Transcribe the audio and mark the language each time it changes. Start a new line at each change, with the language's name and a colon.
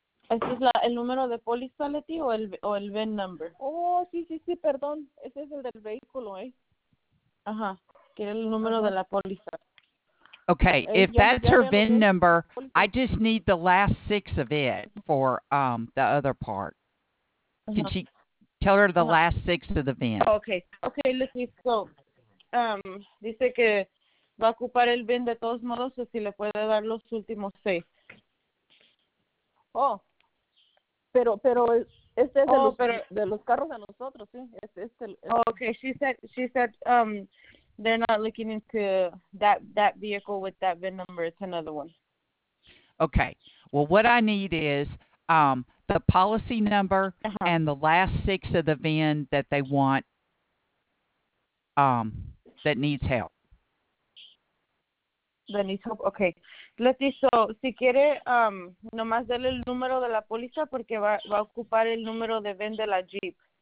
Spanish: ¿Ese es el número de póliza, Leti, o el VIN number? Oh, sí, perdón. Ese es el del vehículo, ¿eh? Ajá, que es el número de la póliza.
English: Okay, if that's her VIN number, I just need the last six of it for the other part. Can she tell her the last six of the VIN?
Spanish: Okay, Leti, so, dice que va a ocupar el VIN de todos modos, si le puede dar los últimos seis. Oh. Pero este es de los carros de nosotros, sí.
English: Okay, she said they're not looking into that vehicle with that VIN number. It's another one. Okay. Well, what I need is the policy number and the last six of the VIN that they want that needs help. Okay.
Spanish: Leti, so, si quiere, nomás dele el número de la póliza porque va a ocupar el número de VIN de la Jeep.